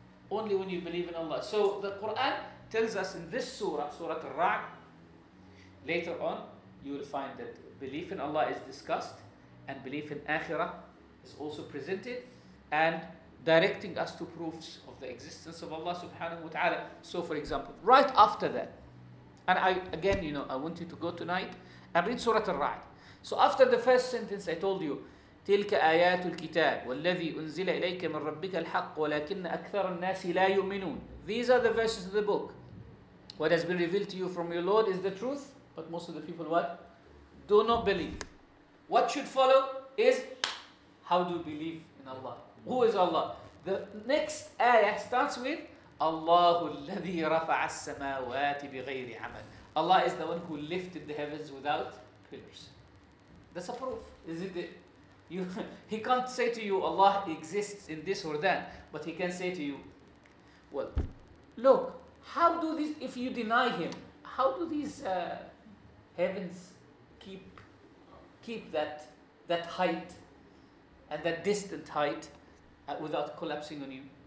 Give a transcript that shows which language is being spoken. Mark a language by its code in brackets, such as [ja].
[en] Only when you believe in Allah. So the Quran tells us in this surah, Surah Ar-Ra'd, later on, you will find that belief in Allah is discussed, and belief in Akhirah is also presented, and directing us to proofs of the existence of Allah subhanahu wa ta'ala. So for example, right after that, and I want you to go tonight and read Surah Ar-Ra'd. So after the first sentence, I told you, [ar] تلك آيات الكتاب والذي أنزل إليك من ربك الحق ولكن أكثر الناس لا يؤمنون. [en] These are the verses of the book. What has been revealed to you from your Lord is the truth, but most of the people what? Do not believe. What should follow is, how do you believe in Allah? Who is Allah? The next ayah starts with [ar] الله الذي رفع السماوات بغير عمل. [en] Allah is the one who lifted the heavens without pillars. That's a proof, isn't it? He can't say to you, Allah exists in this or that, but he can say to you, well, look, how do these, if you deny him, how do these heavens keep that height and that distant height without collapsing on you?